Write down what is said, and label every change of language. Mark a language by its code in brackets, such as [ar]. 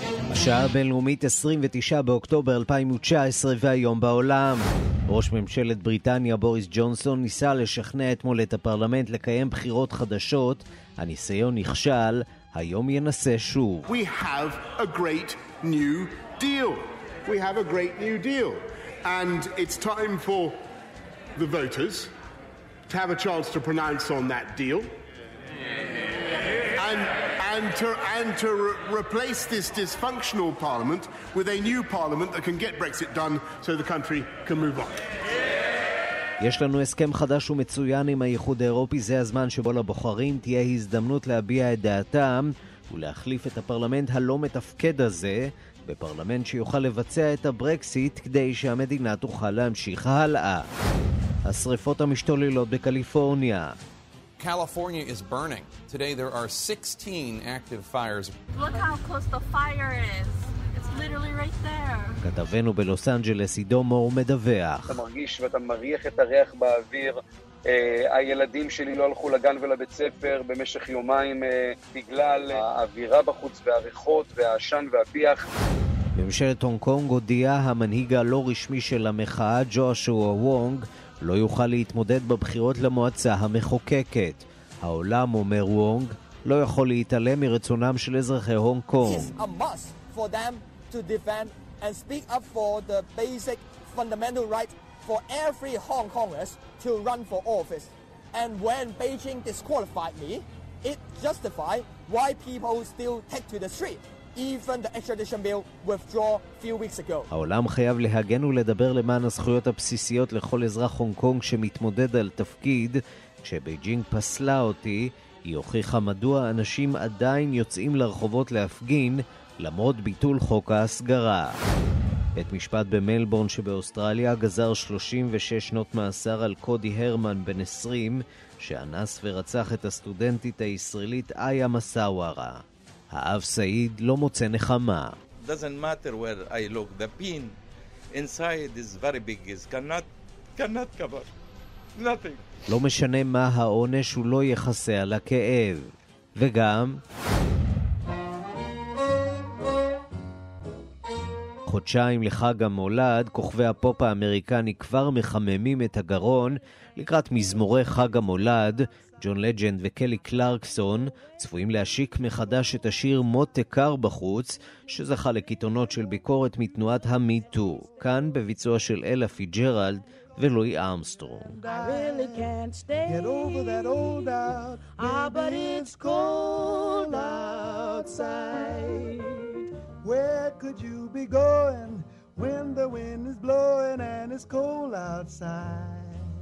[he] השעה הבינלאומית 29 באוקטובר 2019 והיום בעולם. ראש ממשלת בריטניה בוריס ג'ונסון ניסה לשכנע אתמול את הפרלמנט לקיים בחירות חדשות. הניסיון נכשל, היום ינסה שוב. [en] We have a great new deal. We have a great new deal. And it's time for the voters to have a chance to pronounce on that deal. And to replace this dysfunctional parliament with a new parliament that can get Brexit done so the country can move on. [he] יש לנו הסכם חדש ומצוין עם האיחוד האירופי, זה הזמן שבו לבוחרים תהיה הזדמנות להביע את דעתם ולהחליף את הפרלמנט הלא מתפקד הזה בפרלמנט שיוכל לבצע את הברקסיט כדי שהמדינה תוכל להמשיך הלאה. השריפות המשתוללות בקליפורניה. [en] California is burning. Today there are 16 active fires. Look how close the fire is. It's literally right there. [he] כתבנו בלוס אנג'לס עידו מור מדווח. אתה מרגיש ואתה מריח את הריח באוויר. הילדים שלי לא הלכו לגן ולבית ספר במשך יומיים בגלל האווירה בחוץ והריחות והאשן והביח. ממשלת הונג קונג הודיעה, המנהיג הלא רשמי של המחאה ג'ושוע וונג לא יוכל להתמודד בבחירות למועצה המחוקקת. העולם, אומר וונג, לא יכול להתעלם מרצונם של אזרחי הונג קונג. [en] It's a must for them to defend and speak up for the basic fundamental right for every Hong Kongers to run for office. And when Beijing disqualified me, it justified why people still take to the street. Even the extradition bill withdrew a few weeks ago. [he] העולם חייב להגן ולדבר למען הזכויות הבסיסיות לכל אזרח הונג קונג שמתמודד על תפקיד. כשבייג'ינג פסלה אותי, היא הוכיחה מדוע אנשים עדיין יוצאים לרחובות להפגין למרות ביטול חוק ההסגרה. את משפט במלבורן שבאוסטרליה גזר 36 שנות מאסר על קודי הרמן בן 20 שאנס ורצח את הסטודנטית הישראלית איה מסאווארה. האב סעיד לא מוצא נחמה. [en] Doesn't matter where I look, the pain inside is very big, is cannot cover nothing. [he] לא משנה מה העונש, הוא לא יחסה על הכאב. וגם חודשיים לחג המולד, כוכבי הפופ האמריקני כבר מחממים את הגרון לקראת מזמורי חג המולד. ג'ון לג'נד וקלי קלארקסון צפויים להשיק מחדש את השיר מוטה קר בחוץ, שזכה לקיתונות של ביקורת מתנועת המיטו, כאן בביצוע של אלה פיג'רלד ולוי ארמסטרונג. [en] I really can't stay, get over that old out, but it's cold outside. Where could you be going when the wind is blowing and it's cold outside?